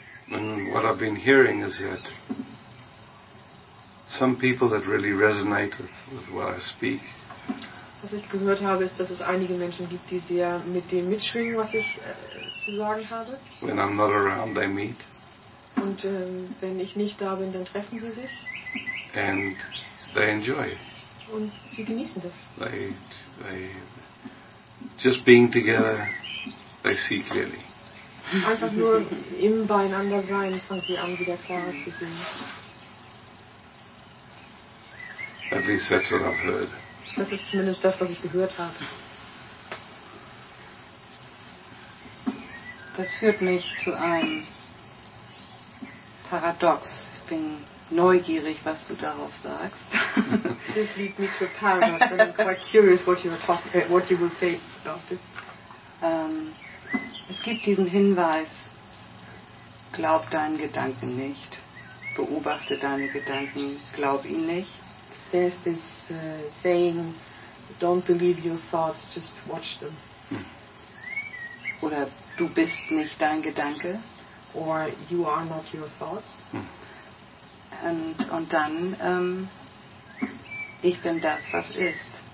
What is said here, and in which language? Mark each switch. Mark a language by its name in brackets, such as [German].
[English] And what I've been hearing is that some people that really resonate with what I speak. [German] Was ich gehört habe, ist, dass es einige Menschen gibt, die sehr mit dem mitschwingen, was ich zu sagen habe. [English] When I'm not around, they meet. [German] Und wenn ich nicht da bin, dann treffen sie sich. [English] And they enjoy. [German] Und sie genießen das. [English] They just being together, they see clearly. [German] Einfach nur im Beieinander sein, fangen sie an, wieder klarer zu sehen. [English] At least that's what I've heard. [German] Das ist zumindest das, was ich gehört habe. Das führt mich zu einem Paradox. Ich bin neugierig, was du darauf sagst. [English] This leads me to a paradox. I'm quite curious what you will say about this. [German] Es gibt diesen Hinweis, glaub deinen Gedanken nicht. Beobachte deine Gedanken, glaub ihn nicht. [English] There's this saying, don't believe your thoughts, just watch them. [German] Oder du bist nicht dein Gedanke. [English] Or you are not your thoughts. [German] Und dann, ich bin das, was ist.